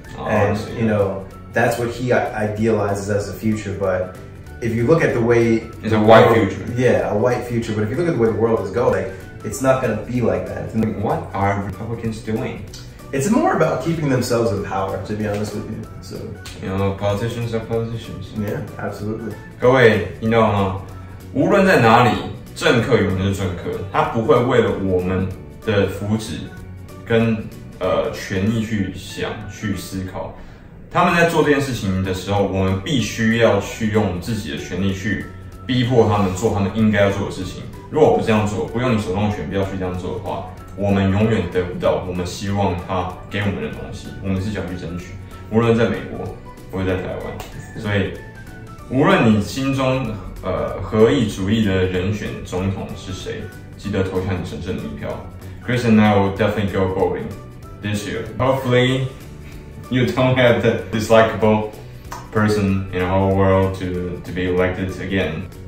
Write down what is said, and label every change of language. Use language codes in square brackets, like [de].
[en] You know, that's what he idealizes as the future, but if you look at the way... It's a white future. Yeah, a white future, but if you look at the way the world is going, it's not gonna be like that. What are Republicans doing? It's more about keeping themselves in power, to be honest with you. So, you know, politicians are politicians. Yeah, absolutely. [zh] 各位, [en] you know, [zh] 无论在哪里, 政客永远是政客, 他不会为了我们的福祉, 跟, 权益去想, 去思考。他们在做这件事情的时候, 我们必须要去用自己的权利去 逼迫他们做他们应该要做的事情。如果不这样做, 不用你手动权, 不要去这样做的话, 我们永远得不到我们希望他给我们的东西，我们是想去争取，无论在美国，或者在台湾。所以，无论你心中合意主义的人选总统是谁，记得投下你神圣的一票。 [en] Chris and I will definitely go voting this year. Hopefully, you don't have that dislikable person in the whole world to be elected again.